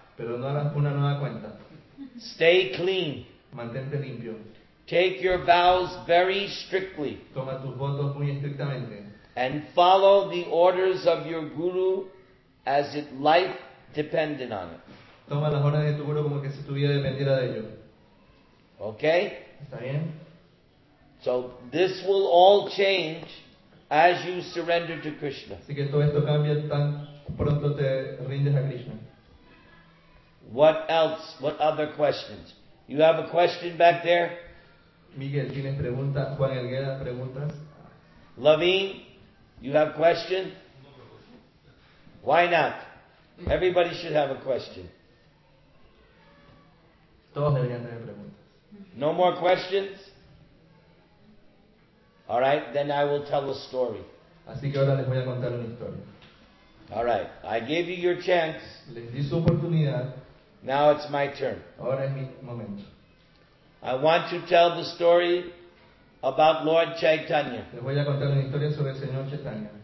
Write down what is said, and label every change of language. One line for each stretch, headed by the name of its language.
Spanish: Pero no hagas una nueva cuenta.
English: Stay clean.
Spanish: Mantente limpio.
English: Take your vows very strictly.
Spanish: Toma tus votos muy estrictamente.
English: And follow the orders of your guru as if life depended on it.
Spanish: Toma las órdenes de tu guru como que si tu vida dependiera de ello.
English: Okay?
Spanish: ¿Está bien?
English: So this will all change as you surrender to Krishna.
Spanish: Así que todo esto cambia tan pronto te rindes a Krishna.
English: What else? What other questions? You have a question back there?
Spanish: Miguel, ¿tienes preguntas? Juan Elguera, ¿preguntas?
English: Lavín, you have question? Why not? Everybody should have a question.
Spanish: Todos deberían tener preguntas.
English: No more questions? All right, then I will tell a story.
Spanish: Así que ahora les voy a contar una historia.
English: All right, I gave you your chance.
Spanish: Les di su oportunidad.
English: Now it's my turn.
Spanish: Ahora es mi momento.
English: I want to tell the story about Lord Chaitanya.
Spanish: Les voy a contar una historia sobre el señor Chaitanya.